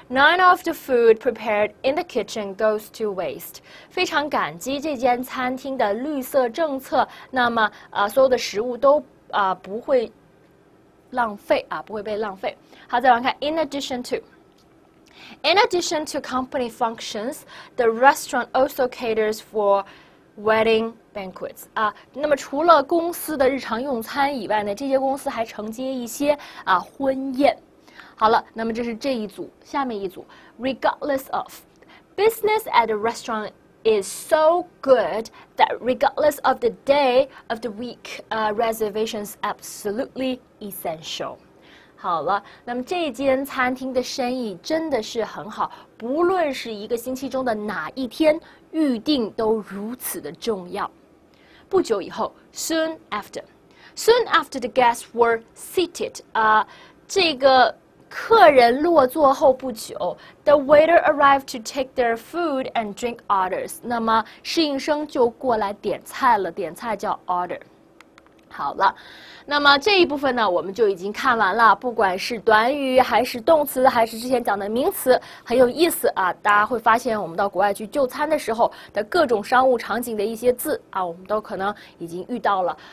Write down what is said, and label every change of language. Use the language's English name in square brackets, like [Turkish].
[English] None of the food prepared in the kitchen goes to waste. [Chinese] 非常感激这间餐厅的绿色政策，那么所有的食物都不会浪费啊，不会被浪费。好，再往看， [English] In addition to。In addition to company functions, the restaurant also caters for wedding banquets 啊。 [Chinese] 那么除了公司的日常用餐以外呢，这些公司还承接一些婚宴。好了，那么这是这一组，下面一组。 [English] Regardless of business at a restaurant is so good that regardless of the day of the week, reservations absolutely essential. [Chinese] 好了，那么这间餐厅的生意真的是很好，不论是一个星期中的哪一天，预订都如此的重要。不久以后， [English] soon after the guests were seated， [Chinese] 这个客人落座后不久， [English] the waiter arrived to take their food and drink orders。 [Chinese] 那么侍应生就过来点菜了，点菜叫 order。好了，那么这一部分呢，我们就已经看完了。不管是短语，还是动词，还是之前讲的名词，很有意思啊。大家会发现，我们到国外去就餐的时候的各种商务场景的一些字啊，我们都可能已经遇到了。